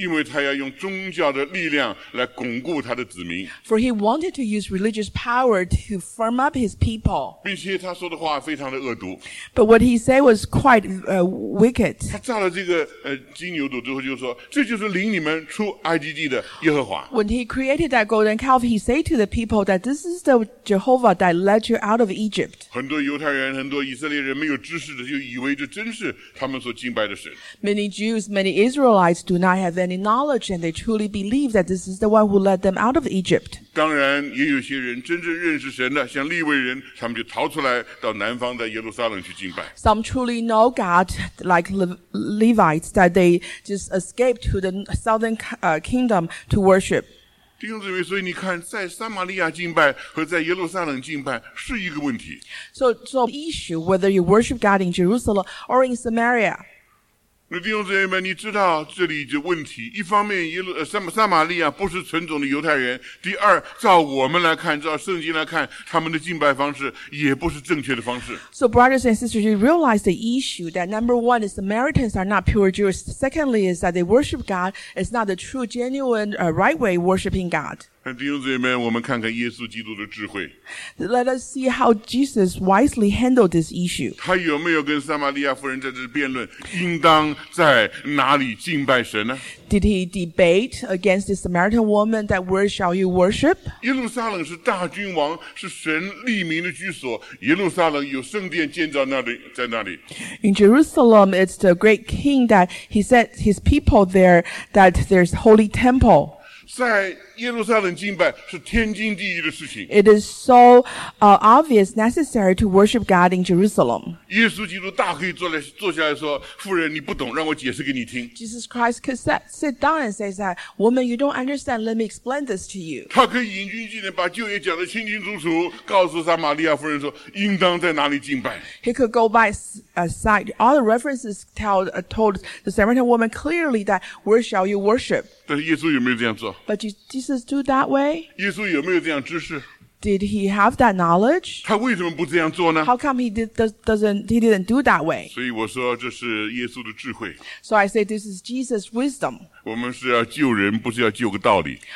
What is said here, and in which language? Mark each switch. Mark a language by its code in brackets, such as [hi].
[zh] 因为他要用宗教的力量来巩固他的子民。 [en] For he wanted to use religious power to firm up his people. [zh] 并且他说的话非常的恶毒。 [en] But what he said was quite wicked. [zh] 他造了这个金牛犊之后就说，这就是领你们出埃及地的耶和华。 [en] When he created that golden calf, he said to the people that this is the Jehovah that led you out of Egypt. [zh] 很多犹太人，很多以色列人没有知识的，就以为这真是他们所敬拜的神。 [en] Many Jews, many Israelites do not have any knowledge. And they truly believe that this is the one who led them out of Egypt. [zh] 当然，也有些人真正认识神的，像利未人，他们就逃出来到南方，在耶路撒冷去敬拜。 [en] Some truly know God, like Levites, that they just escaped to the southern kingdom to worship. [zh] 弟兄姊妹，所以你看，在撒玛利亚敬拜和在耶路撒冷敬拜是一个问题。 [en] So the issue whether you worship God in Jerusalem or in Samaria. [zh] 那弟兄姊妹们，你知道这里的问题，一方面撒玛利亚不是纯种的犹太人，第二，照我们来看，照圣经来看，他们的敬拜方式也不是正确的方式。 [en] So brothers and sisters, you realize the issue that number one, the Samaritans are not pure Jews. Secondly, is that they worship God. It's not the true, genuine, right way worshiping God. [zh] 弟兄姊妹们，我们看看耶稣基督的智慧。 [en] Let us see how Jesus wisely handled this issue. [zh] 他有没有跟撒玛利亚妇人在这辩论，应当在哪里敬拜神呢？ [en] Did he debate against the Samaritan woman that where shall you worship? [zh] 耶路撒冷是大君王，是神立民的居所。耶路撒冷有圣殿建造那里，在那里。 [en] In Jerusalem, it's the great king that he set his people there, that there's holy temple. [zh] 在耶路撒冷敬拜是天经地义的事情。 [en] It is so, obvious, necessary to worship God in Jerusalem. [zh] 耶稣基督大可以坐下来说，妇人，你不懂，让我解释给你听。 [en] Jesus Christ could sit down and say that, woman, you don't understand, let me explain this to you. [zh] 他可以引经据典把旧约讲得清清楚楚，告诉撒玛利亚妇人说，应当在哪里敬拜。 [en] He could go by sight. All the references told the Samaritan woman clearly that where shall you worship? [zh] 但是耶稣有没有这样做 [en] But Jesus do that way? [zh] 耶稣有没有这样知识 [en] Did he have that knowledge? [zh] 他为什么不这样做呢 [en] How come he didn't do that way? [zh] 所以我说这是耶稣的智慧 [en] So I say this is Jesus' wisdom. [zh] 我们是要救人不是要救个道理